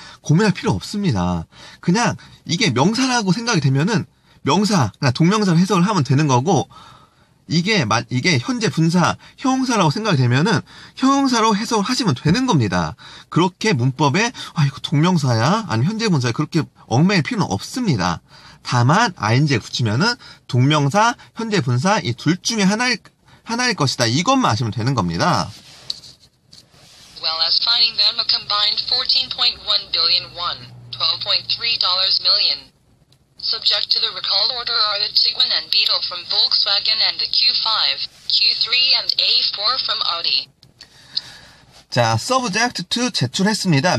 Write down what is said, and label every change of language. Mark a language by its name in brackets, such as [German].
[Korean] 고민할 필요 없습니다. 그냥, 이게 명사라고 생각이 되면은, 명사, 그냥 동명사로 해석을 하면 되는 거고, 이게 현재 분사, 형용사라고 생각이 되면은, 형용사로 해석을 하시면 되는 겁니다. 그렇게 문법에, 아, 이거 동명사야? 아니면 현재 분사야? 그렇게 얽매일 필요는 없습니다. 다만 ing 붙이면은 동명사, 현재 분사 이 둘 중에 하나일 것이다. 이것만 아시면 되는 겁니다. [English] Well, as finding them a combined 14.1 billion won, $12.3 million. Subject to the recall order are the Tiguan and Beetle from Volkswagen and the Q5, Q3 and A4 from Audi. [Korean] 자, [English] subject to [Korean] 제출했습니다.